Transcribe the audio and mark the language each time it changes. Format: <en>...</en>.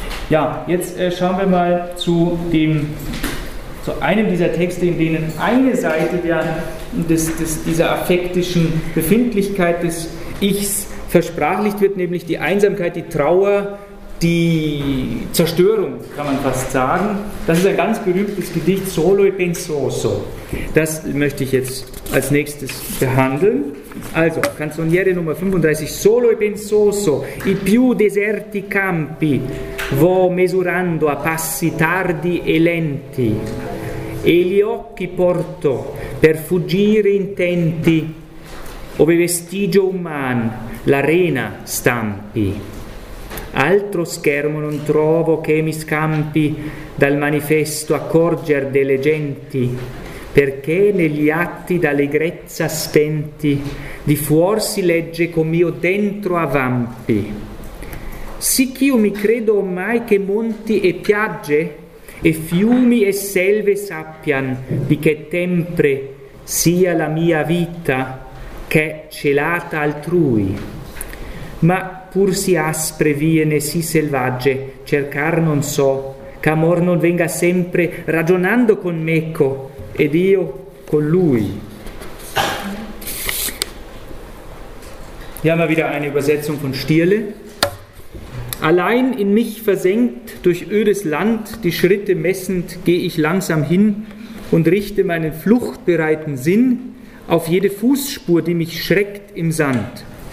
<de>Ja, jetzt schauen wir mal zu einem dieser Texte, in denen eine Seite dieser affektischen Befindlichkeit des Ichs versprachlicht wird, nämlich die Einsamkeit, die Trauer, die Zerstörung, kann man fast sagen. Das ist ein ganz berühmtes Gedicht, Solo e Pensoso. Das möchte ich jetzt als nächstes behandeln. Also, Canzoniere Nummer 35,</de> <it>Solo e Pensoso, i più deserti campi, vo mesurando a passi tardi e lenti, e gli occhi porto per fuggire intenti, ove vestigio uman l'arena stampi. Altro schermo non trovo che mi scampi dal manifesto accorger delle genti, perché negli atti d'allegrezza spenti di fuor si legge com'io dentro avampi. Sicch'io mi credo ormai che monti e piagge e fiumi e selve sappian di che tempre sia la mia vita che celata altrui. Ma pur si aspre vie né si selvagge cercar non so, ch'amor non venga sempre ragionando con meco ed io con lui.</it> <de>Hier haben wir wieder eine Übersetzung von Stierle. Allein in mich versenkt durch ödes Land, die Schritte messend, gehe ich langsam hin und richte meinen fluchtbereiten Sinn auf jede Fußspur, die mich schreckt im Sand.</de>